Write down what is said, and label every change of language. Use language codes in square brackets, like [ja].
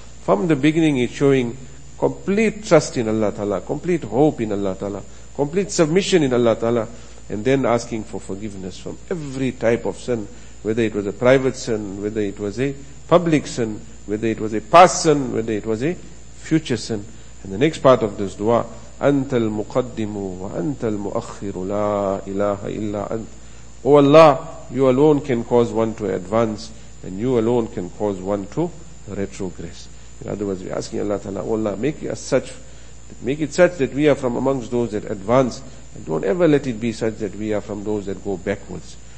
[en] From the beginning it's showing complete trust in Allah Ta'ala, complete hope in Allah Ta'ala, complete submission in Allah Ta'ala, and then asking for forgiveness from every type of sin, whether it was a private sin, whether it was a public sin, whether it was a past sin, whether it was a future sin. And the next part of this dua, [ar] أنت المقدم وأنت المؤخر لا إله إلا أنت. [en] O Allah, you alone can cause one to advance, and you alone can cause one to retrogress. In other words, we're asking Allah Ta'ala, O Allah, make us such, make it such that we are from amongst those that advance, and don't ever let it be such that we are from those that go backwards.